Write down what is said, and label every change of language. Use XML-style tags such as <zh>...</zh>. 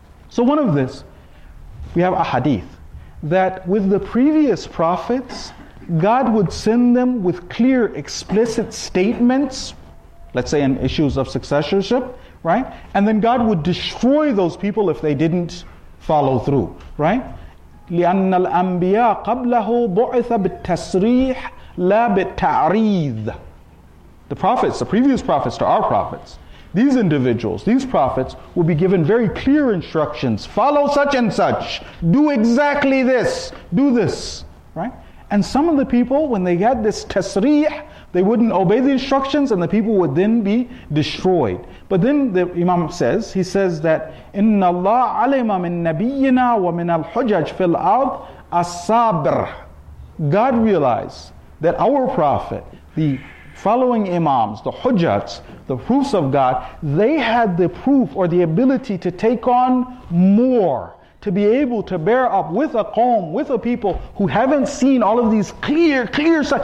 <en>So one of this, we have a hadith, that with the previous prophets, God would send them with clear, explicit statements, let's say in issues of successorship, right? And then God would destroy those people if they didn't follow through, right?</en> <ar>لأن الأنبياء قبله بعث بالتسريح لا بالتعريض.</ar> <en>The prophets, the previous prophets to our prophets, these individuals, these prophets, will be given very clear instructions. Follow such and such. Do exactly this. Do this. Right? And some of the people, when they had this تسريح, they wouldn't obey the instructions, and the people would then be destroyed. But then the Imam says, he says that</en> <ar>إن الله علم من نبينا ومن الحجج في الأرض الصبر.</ar> <en>God realized that our Prophet, the following Imams, the Hujjats, the proofs of God, they had the proof or the ability to take on more, to be able to bear up with a qawm, with a people who haven't seen all of these clear signs.</en>